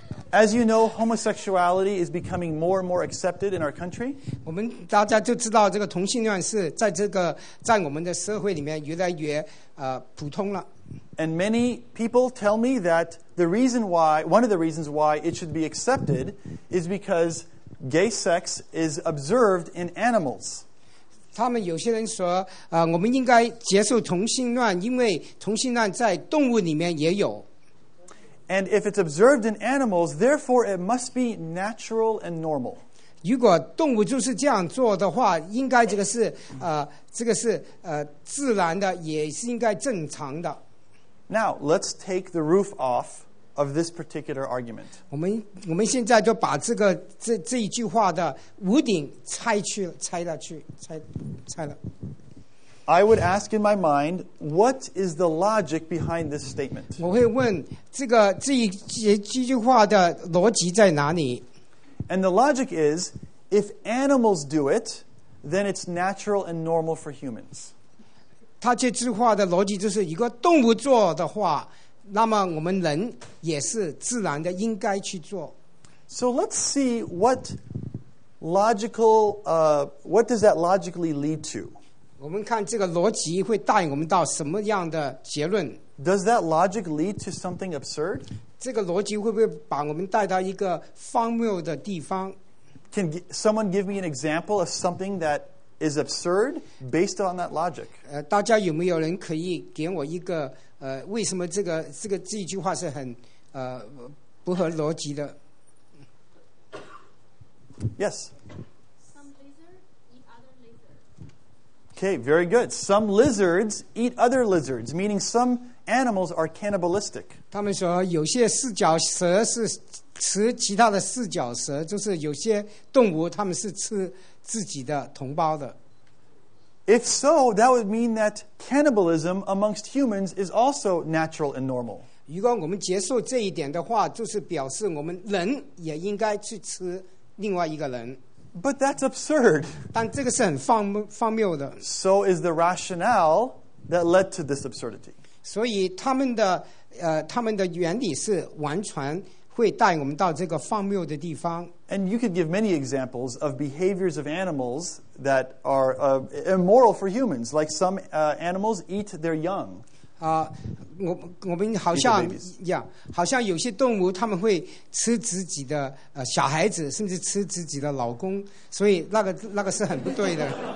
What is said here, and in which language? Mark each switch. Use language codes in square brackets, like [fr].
[en] As you know, homosexuality is becoming more and more accepted in our country. [zh] 我们大家就知道这个同性恋是在这个在我们的社会里面越来越普通了。 [en] And many people tell me that the reason why, one of the reasons why it should be accepted is because gay sex is observed in animals. [zh] 他们有些人说，我们应该接受同性恋，因为同性恋在动物里面也有。 [en] And if it's observed in animals, therefore it must be natural and normal. [zh] 如果动物就是这样做的话，应该这个是这个是自然的，也是应该正常的。 [en] Now let's take the roof off of this particular argument. [zh] 我们现在就把这个这一句话的屋顶拆了。 [en] I would ask in my mind, what is the logic behind this statement? [zh] 我会问这句话的逻辑在哪里？ [en] And the logic is, if animals do it, then it's natural and normal for humans. [zh] 他这句话的逻辑就是，如果动物做的话，那么我们人也是自然的应该去做。 [en] So let's see what logical, what does that logically lead to? [zh] 我们看这个逻辑会带我们到什么样的结论。 [en] Does that logic lead to something absurd? [zh] 这个逻辑会不会把我们带到一个荒谬的地方？ [en] Can someone give me an example of something that is absurd based on that logic? [zh] 大家有没有人可以给我一个为什么这一句话是很不合逻辑的？ [en] Yes. Okay, very good. Some lizards eat other lizards, meaning some animals are cannibalistic. [zh] 他们说有些四脚蛇是吃其他的四脚蛇，就是有些动物他们是吃自己的同胞的。 [en] If so, that would mean that cannibalism amongst humans is also natural and normal. [zh] 如果我们接受这一点的话，就是表示我们人也应该去吃另外一个人。 [en] But that's absurd. [zh] 但这个是很荒谬的。 [en] So is the rationale that led to this absurdity. [zh] 所以他们的原理是完全会带我们到这个荒谬的地方。 [en] And you could give many examples of behaviors of animals that are immoral for humans, like some animals eat their young. [zh] 我们好像好像有些动物他们会吃自己的小孩子，甚至吃自己的老公，所以那个是很不对的。